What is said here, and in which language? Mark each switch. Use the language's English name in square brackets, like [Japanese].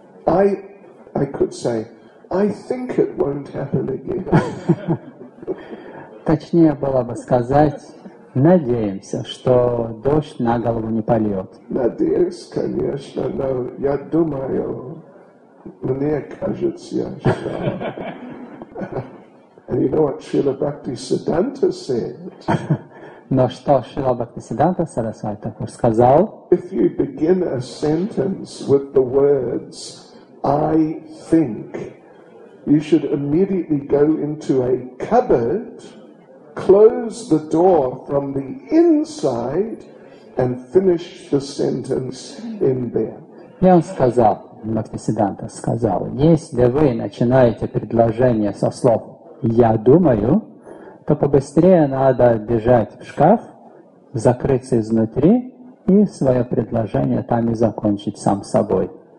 [English] I could say, I think it won't happen again. [Russian] Точнее было бы сказать, надеемся, что дождь на голову не польет. Надеюсь, конечно, но я думаю, мне кажется, что... [English] And you know what Srila Bhaktisiddhanta said? [Russian] Но что Шрила Бхактисиддханта Сарасвати Такур сказал? [English] If you begin a sentence with the words I think, you should immediately go into a cupboard, close the door from the inside, and finish the sentence in there. [Russian] И он сказал, Бхактисиддханта сказал, если вы начинаете предложение со слов «я думаю», то побыстрее надо бежать в шкаф, закрыться изнутри и свое предложение там и закончить сам собой.